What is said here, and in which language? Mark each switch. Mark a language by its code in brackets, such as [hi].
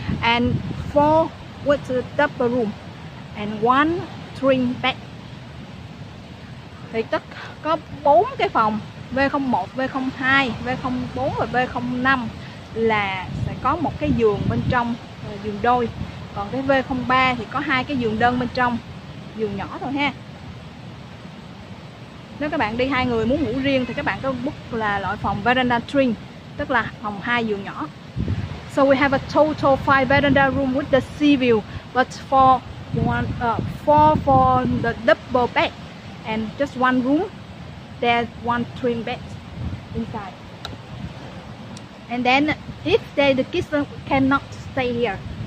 [en] And 4 with a double room and 1 twin bed. [vi] Thì tất có 4 cái phòng V01, V02, V04 và V05 là sẽ có một cái giường bên trong, giường đôi. Còn cái V03 thì có 2 cái giường đơn bên trong, giường nhỏ thôi ha. Nếu các bạn đi 2 người muốn ngủ riêng thì các bạn có book là loại phòng veranda twin, tức là phòng 2 giường nhỏ. [en] So we have a total 5 veranda room with the sea view, but four for the double bed and just one room. There's one twin bed inside. And then if the kids cannot stay here.